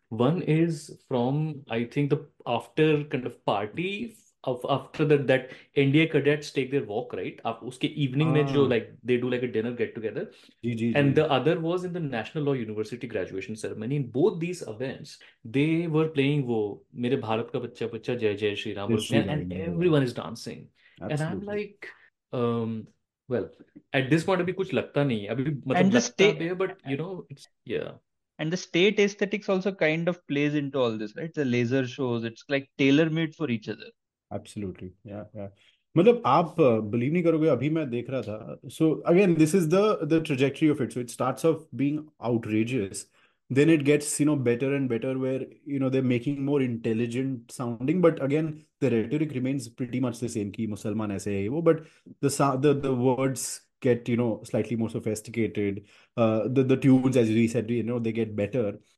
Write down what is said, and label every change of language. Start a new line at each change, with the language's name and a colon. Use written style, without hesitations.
English: One is from I think the after kind of party of after that NDA cadets take their walk, right, उसके evening में जो like they do like a dinner get together, and the other was in the national law university graduation ceremony. In both these events they were playing वो
Hindi: मेरे भारत का बच्चा बच्चा जय जय Shri Ram,
English: and everyone is dancing, and I am like well at this point
Hindi: अभी कुछ लगता नहीं है, अभी मतलब लगता है,
English: But you know it's yeah. And the state aesthetics also kind of plays into all this, right? The laser shows, it's like tailor-made for each other. Absolutely, yeah, yeah.
Hindi: मतलब आप
English: believe
Hindi: नहीं करोगे, अभी मैं देख रहा था.
English: So again, this is the trajectory of it. So it starts off being outrageous, then it gets you know better and better, where you know they're making more intelligent sounding. But again, the rhetoric remains pretty much the same.
Hindi: कि मुसलमान ऐसे है वो,
English: but the words get you know slightly more sophisticated, the tunes as we said you know they get better.